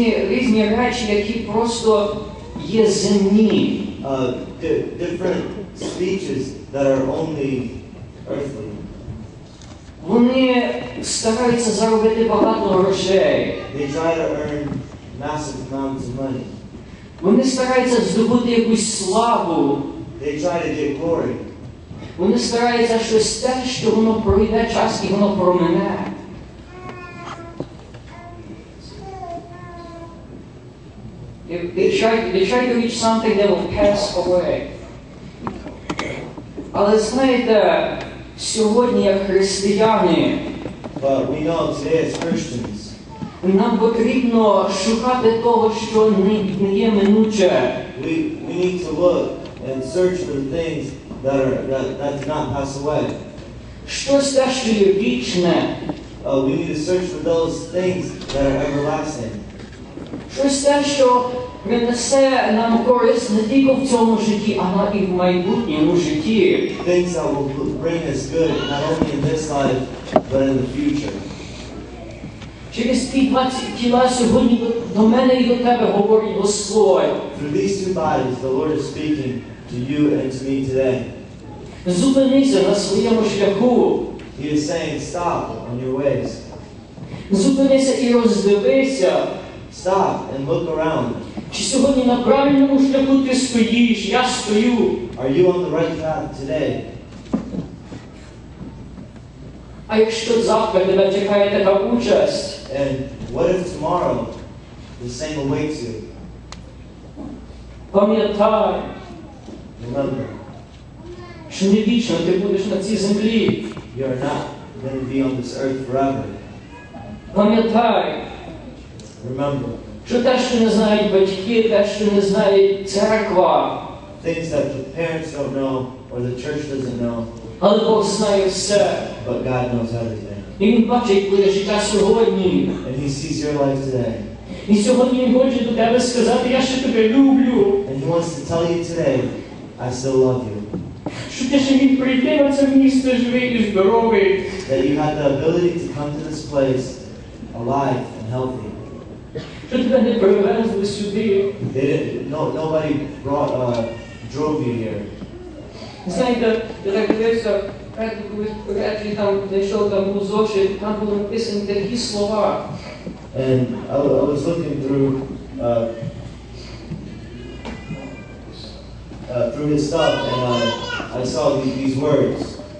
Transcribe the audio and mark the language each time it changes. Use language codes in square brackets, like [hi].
[uk] Різні речі, які просто є земні. [en] Different speeches that are only earthly. [uk] Вони стараються заробити багато грошей. [en] They try to earn massive amounts of money. [uk] Вони стараються здобути якусь славу. [en] They try to get glory. [uk] Вони стараються щось те, що воно пройде час і воно промине. [en] They try to reach something that will pass away. [uk] Але знаєте, сьогодні як християни, [en] but we know today as Christians, [uk] нам потрібно шукати того, що не є минуче. [en] We need to look and search for the things that do not pass away. [uk] Щось те, що є вічне. [en] We need to search for those things that are everlasting. [uk] Щось те, що принесе нам користь не тільки в цьому житті, але і в майбутньому житті. [en] Things that will bring us good, not only in this life, but in the future. [uk] Через ті 20 тіла сьогодні до мене і до тебе говорить Господь. [en] Through these two bodies, the Lord is speaking to you and to me today. [uk] Зупинися на своєму шляху. [en] He is saying, stop on your ways. [uk] Зупинися і роздивися. [en] Stop and look around. [uk] Чи сьогодні на правильному шляху ти стоїш? Я стою. [en] Are you on the right path today? [uk] А якщо завтра тебе чекає така участь? [en] And what if tomorrow the same awaits you? [uk] Пам'ятай. [en] Remember. [uk] Що не вічно ти будеш на цій землі. [en] You are not going to be on this earth forever. [uk] Пам'ятай. [en] Remember. [uk] Що те, що не знають батьки, те, що не знає церква. [en] Things that the parents don't know or the church doesn't know. [uk] Але Бог знає все. [en] But God knows everything. [uk] І Він бачить твоє життя сьогодні. [en] And He sees your life today. [uk] І сьогодні Він хоче до тебе сказати, я ще тебе люблю. [en] And He wants to tell you today, I still love you. [uk] Що ти ще міг прийти на це місце живий і здоровий. [en] That you had the ability to come to this place alive and healthy. [uk] Що тебе не привезли сюди? [en] They didn't, no, nobody brought, drove you here. [uk] Знаєте, я так дивився, коли там знайшов там був зошит, там було написано такі слова. [en] And I was looking through his stuff, and I saw these words.